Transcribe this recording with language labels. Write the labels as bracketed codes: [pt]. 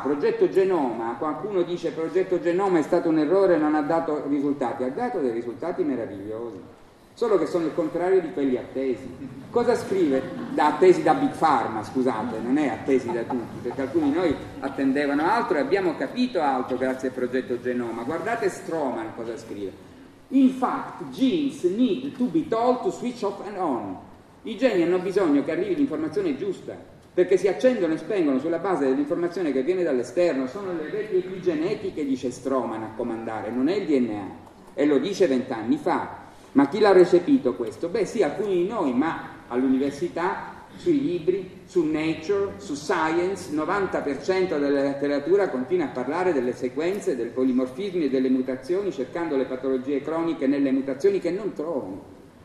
[it] Progetto Genoma, qualcuno dice Progetto Genoma è stato un errore, non ha dato risultati, ha dato dei risultati meravigliosi, solo che sono il contrario di quelli attesi. Cosa scrive? Da attesi da Big Pharma, scusate, non è attesi da tutti, perché alcuni di noi attendevano altro e abbiamo capito altro grazie al Progetto Genoma. Guardate Stroman cosa scrive: [en] in fact, genes need to be told to switch off and on. [it] I geni hanno bisogno che arrivi l'informazione giusta, perché si accendono e spengono sulla base dell'informazione che viene dall'esterno. Sono le reti epigenetiche, dice Stroman, a comandare, non è il DNA. E lo dice 20 anni fa. Ma chi l'ha recepito questo? Beh sì, alcuni di noi, ma all'università, sui libri, su Nature, su Science, 90% della letteratura continua a parlare delle sequenze, del polimorfismo e delle mutazioni, cercando le patologie croniche nelle mutazioni che non trovano.